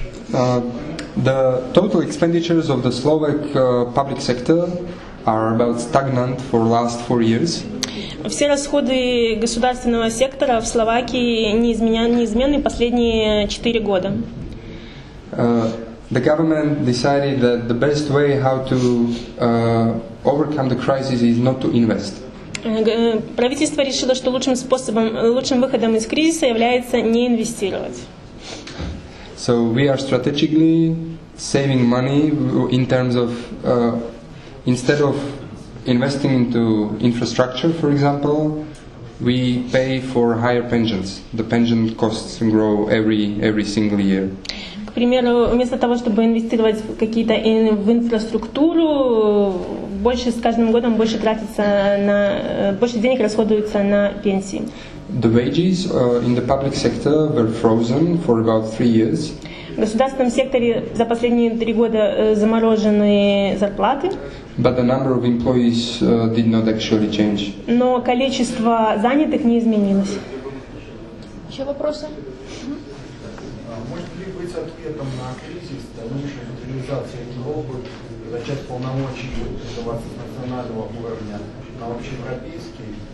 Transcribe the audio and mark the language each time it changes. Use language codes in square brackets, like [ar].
[en] The total expenditures of the Slovak public sector are about stagnant for last 4 years. [ru] Все расходы государственного сектора в Словакии неизменны последние 4 года. [en] The government decided that the best way how to overcome the crisis is not to invest. [ru] Правительство решило, что лучшим способом, лучшим выходом из кризиса является не инвестировать. [en] So we are strategically saving money in terms of instead of investing into infrastructure, for example, we pay for higher pensions. The pension costs grow every single year. [ru] К примеру, вместо того, чтобы инвестировать в какие-то в инфраструктуру, больше с каждым годом больше тратится на больше денег расходуется на пенсии. [en] The wages in the public sector were frozen for about 3 years. [ru] В государственном секторе за последние 3 года заморожены зарплаты. [en] But the number of employees did not actually change. [ru] Но количество занятых не изменилось. Еще вопросы? Может ли быть ответом на кризис дальнейшая федерализация Европы, зачать полномочий с национального уровня на общеевропейский?